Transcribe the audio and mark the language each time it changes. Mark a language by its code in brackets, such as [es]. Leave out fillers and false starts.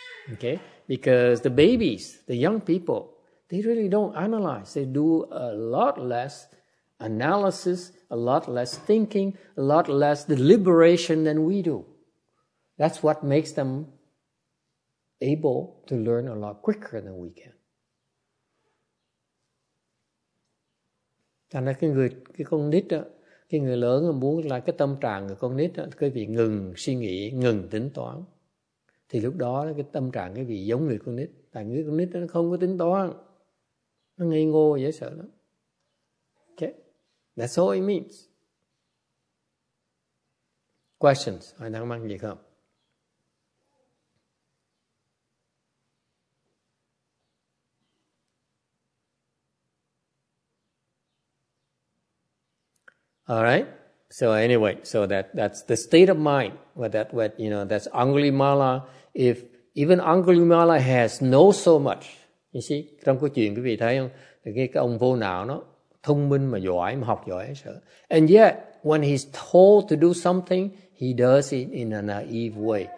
[en] Okay? Because the babies, the young people, they really don't analyze. They do a lot less analysis, a lot less thinking, a lot less deliberation than we do. That's what makes them able to learn a lot quicker than we can. [vi] Thành ra cái người, cái con nít đó, cái người lớn muốn là cái tâm trạng của con nít đó, cái vị ngừng suy nghĩ, ngừng tính toán. Thì lúc đó cái tâm trạng cái vị giống người con nít. Tại người con nít đó, nó không có tính toán. Nó ngây ngô, dễ sợ lắm. Okay. [en] That's all it means. Questions? [vi] Ai đang mang gì không? [en] All right. So anyway, so that's the state of mind. That's Angulimala. If even Angulimala has no so much, you see, [vi] trong câu chuyện quý vị thấy không? Cái ông vô não nó thông minh mà giỏi, mà học giỏi sợ. [en] And yet, when he's told to do something, he does it in a naive way.